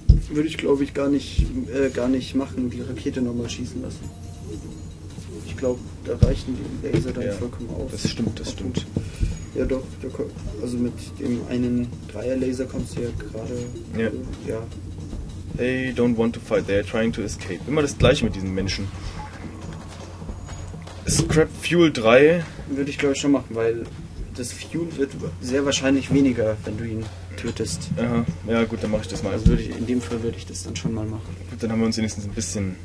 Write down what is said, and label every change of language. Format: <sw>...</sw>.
<de>Würde ich, glaube ich, gar nicht machen, die Rakete nochmal schießen lassen. Ich glaube, da reichen die Laser dann vollkommen aus. Das stimmt, das stimmt. Ja doch, also mit dem einen Dreier-Laser kommst du ja gerade. Ja.</de> <en>They don't want to fight, they are trying to escape.</en> <de>Immer das gleiche mit diesen Menschen.</de> <en>Scrap Fuel 3.</en> <de>Würde ich glaube ich schon machen, weil das Fuel wird sehr wahrscheinlich weniger, wenn du ihn tötest. Aha. Ja gut, dann mache ich das mal. Also würde ich, in dem Fall würde ich das dann schon mal machen. Gut, dann haben wir uns wenigstens ein bisschen...</de>